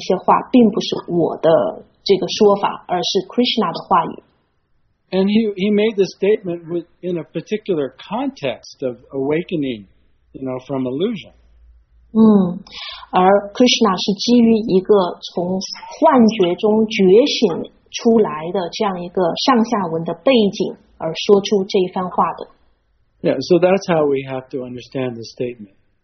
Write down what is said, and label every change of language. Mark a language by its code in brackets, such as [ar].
[zh] 我说的话并不是我上节课所讲到的那些话并不是我的这个说法，而是 Krishna 的话语。 [en] And he made the statement in a particular context of awakening, you know, from illusion. [zh] 而 Krishna 是基于一个从幻觉中觉醒出来的这样一个上下文的背景而说出这一番话的。 [en] Yeah, so that's how we have to understand the statement.